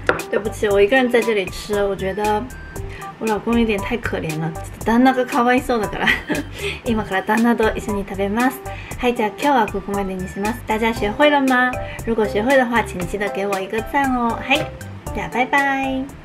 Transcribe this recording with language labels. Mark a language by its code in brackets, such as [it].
[zh] 对不起，我一个人在这里吃，我觉得。我老公有点太可怜了， [ja] ちょっと旦那がかわいそうだから。今から旦那と一緒に食べます。はい、じゃあ今日はここまでにします。 [zh] 大家学会了吗？如果学会的话，请记得给我一个赞哦。 [ja] はい、じゃあバイバイ。